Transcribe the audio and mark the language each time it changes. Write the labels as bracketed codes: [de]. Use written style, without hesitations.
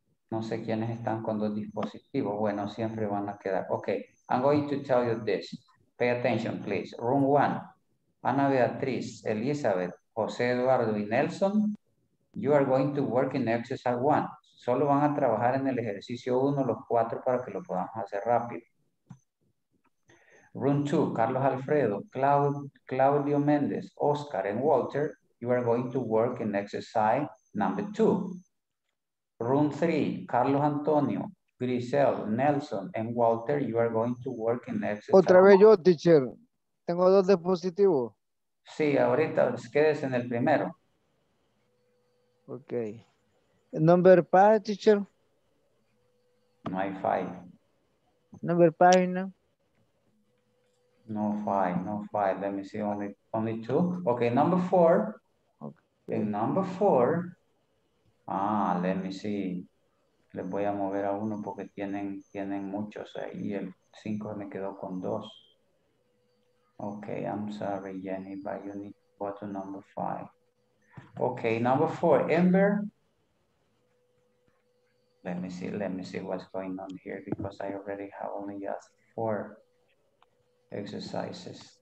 [es] No sé quiénes están con dos dispositivos. Bueno, siempre van a quedar. [en] Okay, I'm going to tell you this. Pay attention, please. Room one. [es] Ana Beatriz, Elizabeth, José Eduardo y Nelson. [en] You are going to work in exercise one. [es] Solo van a trabajar en el ejercicio uno, los cuatro, para que lo podamos hacer rápido. [en] Room two. Carlos Alfredo, Claudio Méndez, Oscar and Walter. You are going to work in exercise number two. Room three, Carlos Antonio, Grisel, Nelson, and Walter, you are going to work in exercise. [es] Otra vez yo, teacher. Tengo dos dispositivos. Sí, ahorita quédese en el primero. [en] Ok. Number five, teacher. [es] No hay five. [en] Number five, no. No five, no five. Let me see, only two. Ok, number four. Okay. And number four. Ah, let me see. [es] Les voy a mover a uno porque tienen muchos ahí. El 5 me quedó con 2. [en] Okay, I'm sorry, Jenny, but you need to go to number 5. Okay, number 4, Amber. Let me see what's going on here because I already have only just 4 exercises.